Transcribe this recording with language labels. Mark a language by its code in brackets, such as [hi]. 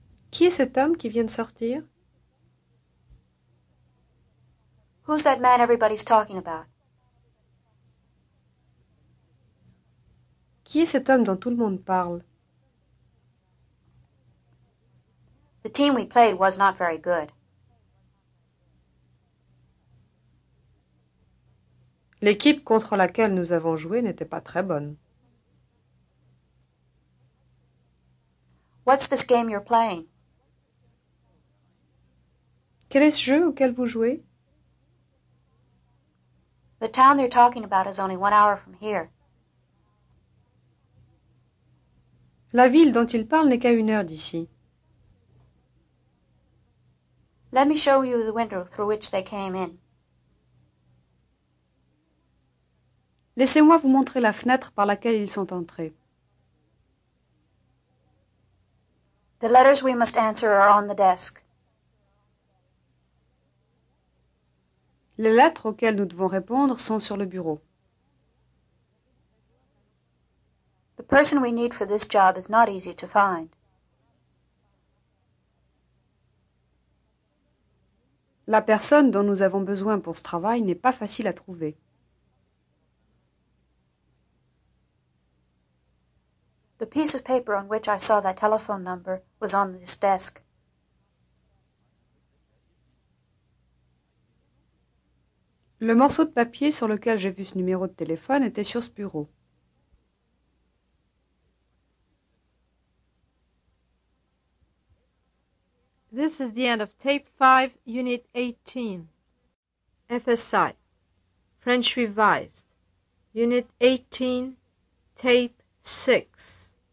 [fr] Qui est cet homme qui vient de sortir? [en] Who's that man everybody's talking about? [fr] Qui est cet homme dont tout le monde parle? [en] The team we played was not very good. [fr] L'équipe contre laquelle nous avons joué n'était pas très bonne. [en] What's this game you're playing? [fr] Quel est ce jeu auquel vous jouez? [en] The town they're talking about is only 1 hour from here. [fr] La ville dont ils parlent n'est qu'à 1 heure d'ici. [en] Let me show you the window through which they came in. [fr] Laissez-moi vous montrer la fenêtre par laquelle ils sont entrés. [en] The letters we must answer are on the desk. [fr] Les lettres auxquelles nous devons répondre sont sur le bureau. [en] The person we need for this job is not easy to find. [fr] La personne dont nous avons besoin pour ce travail n'est pas facile à trouver. [en] The piece of paper on which I saw that telephone number was on this desk. [fr] Le morceau de papier sur lequel j'ai vu ce numéro de téléphone était sur ce bureau. [en] This is the end of tape 5, unit 18. FSI, French revised, unit 18, tape 6.